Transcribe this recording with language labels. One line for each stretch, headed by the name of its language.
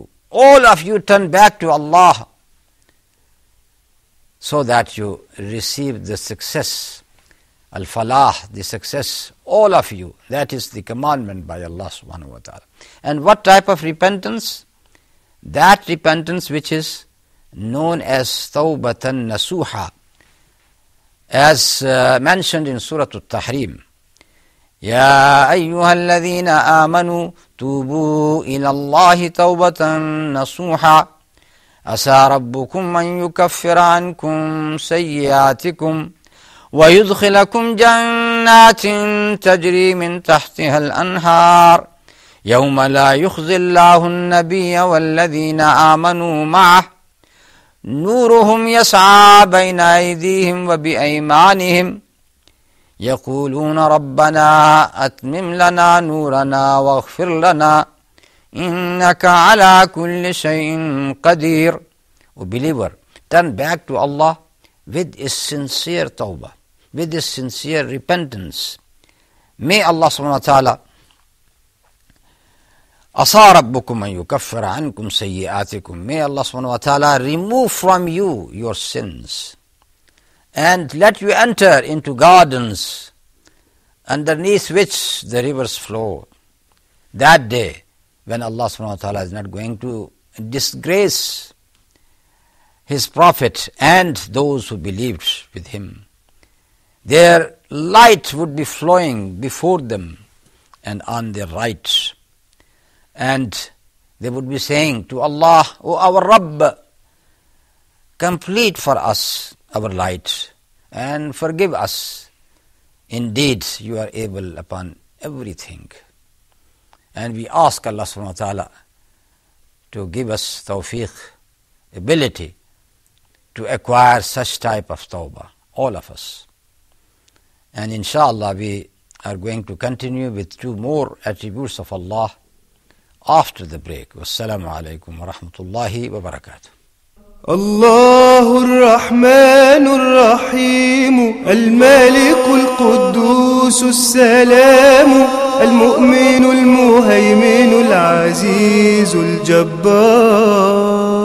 English: All of you turn back to Allah so that you receive the success, al-falah, the success, all of you. That is the commandment by Allah subhanahu wa ta'ala. And what type of repentance? That repentance which is known as tawbatan nasuha, as mentioned in Surah At-Tahrim.
Arabic: يا أيها الذين آمنوا توبوا إلى الله توبة نصوحا عسى ربكم أن يكفر عنكم سيئاتكم ويدخلكم جنات تجري من تحتها الأنهار يوم لا يخزي الله النبي والذين آمنوا معه نورهم يسعى بين أيديهم وبأيمانهم يقولون ربنا أتمم لنا نورنا واغفر لنا إنك على كل شيء قدير.
English: O believer, turn back to Allah with a sincere tawbah, with a sincere repentance. May Allah subhanahu wa ta'ala
Arabic: أصار ربكم أن يكفر عنكم سيئاتكم.
English: May Allah subhanahu wa ta'ala remove from you your sins and let you enter into gardens underneath which the rivers flow. That day when Allah subhanahu wa ta'ala is not going to disgrace His Prophet and those who believed with Him, their light would be flowing before them and on their right. And they would be saying to Allah, O our Rabb, complete for us our light and forgive us. Indeed, You are able upon everything. And we ask Allah subhanahu wa ta'ala to give us tawfiq, ability to acquire such type of tawbah, all of us. And inshallah, we are going to continue with two more attributes of Allah after the break.
Arabic: Wassalamu alaikum wa rahmatullahi wa barakatuh. الله الرحمن الرحيم المالك القدوس السلام المؤمن المهيمن العزيز الجبار.